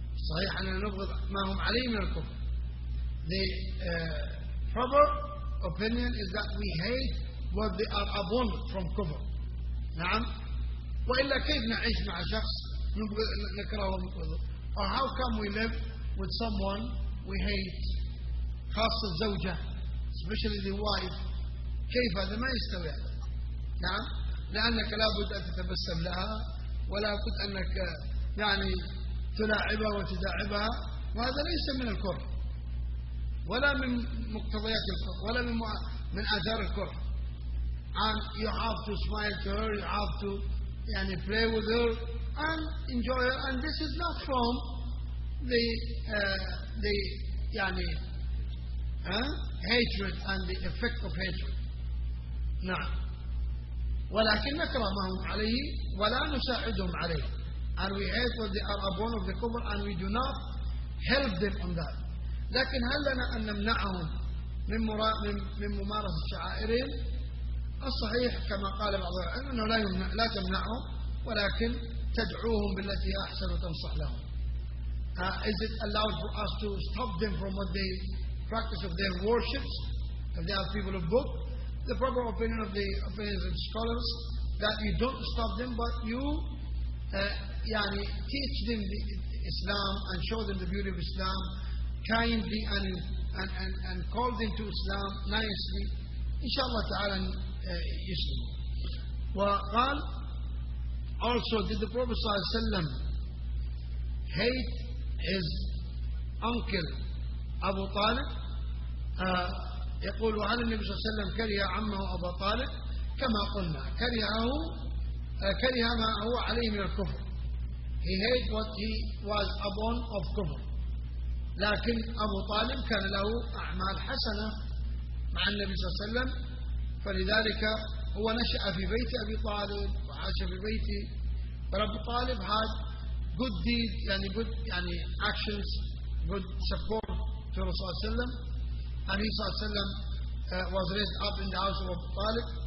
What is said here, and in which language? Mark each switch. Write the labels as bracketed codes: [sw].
[ar] صحيح أن نبغض ما هم عليه من الكفر. [en] The proper opinion is that we hate what they are upon from kufr. [ar] نعم. وإلا كيف نعيش مع شخص نبغض نكرهه ونبغضه؟ [en] Or how come we live with someone we hate؟ [ar] خاصة الزوجة, [en] especially the wife. [ar] كيف هذا ما يستوي؟ نعم. لأنك لا بد أن تتبسم لها ولا بد أنك يعني تلاعبها وتداعبها, وهذا ليس من الكره ولا من مقتضيات الكره ولا من آثار الكره. [en] And you have to smile to her, you have to يعني play with her and enjoy her, and this is not from the hatred and the effect of hatred. [ar] نعم. ولكن نكره ما هم عليه ولا نساعدهم عليه. [en] And we hate what they are upon of the cover and we do not help them on that. [ar] لكن هل لنا أن نمنعهم من ممارسة شعائرهم؟ الصحيح كما قال بعض العلماء أنه لا تمنعهم ولكن تدعوهم بالتي أحسن وتنصح لهم. [en] Is it allowed for us to stop them from what they practice of their worships if they are people of book? The proper opinion of the opinions of scholars that you don't stop them, but you teach them the Islam and show them the beauty of Islam kindly and call them to Islam nicely. [ar] Inshallah ta'ala yuslimu. وقال [en] also did the Prophet [ar] صلى الله عليه وسلم [en] hate his uncle Abu Talib? [ar] يقول وعن النبي صلى الله عليه وسلم كره عمه أبا طالب كما قلنا كرهه كره ما هو عليه من الكفر. [en] He hated what he was upon of kufr. [ar] لكن أبو طالب كان له أعمال حسنة مع النبي صلى الله عليه وسلم, فلذلك هو نشأ في بيت أبي طالب وعاش في بيت رب طالب. [en] Had good deeds يعني good يعني actions, good support to رسول الله عليه وسلم. And he [ar] sallallahu alayhi wa [en] was raised up in the house of Abu Talib.